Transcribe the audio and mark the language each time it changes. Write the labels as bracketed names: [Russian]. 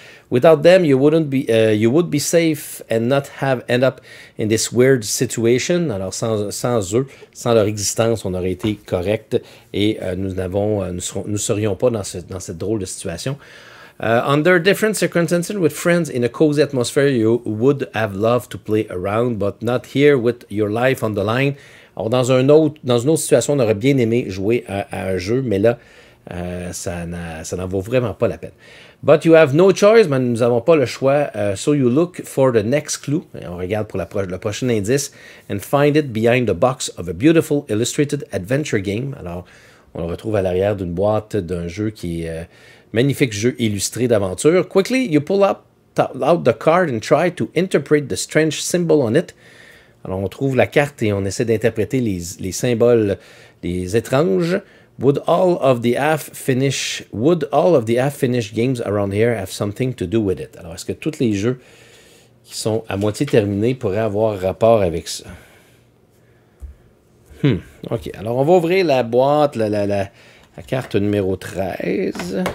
[English] Without them, you would be safe and not have end up in this weird situation. [French] Alors sans eux, sans leur existence, on aurait été correct et nous ne serions pas dans cette drôle de situation. [English] Under different circumstances, with friends in a cozy atmosphere, you would have loved to play around, but not here with your life on the line. [French] Alors, dans une autre situation, on aurait bien aimé jouer à un jeu, mais là, ça n'en vaut vraiment pas la peine. [English] But you have no choice, [French] mais nous n'avons pas le choix. [English] So you look for the next clue. [French] Et on regarde pour le prochain indice. [English] And find it behind the box of a beautiful illustrated adventure game. [French] Alors, on le retrouve à l'arrière d'une boîte d'un jeu qui est magnifique jeu illustré d'aventure. [English] Quickly, you pull out the card and try to interpret the strange symbol on it. [French] Alors, on trouve la carte et on essaie d'interpréter les symboles, les étranges. [English] Would all of the half-finished games around here have something to do with it? [French] Alors, est-ce que tous les jeux qui sont à moitié terminés pourraient avoir rapport avec ça? OK. Alors, on va ouvrir la boîte, la carte numéro 13.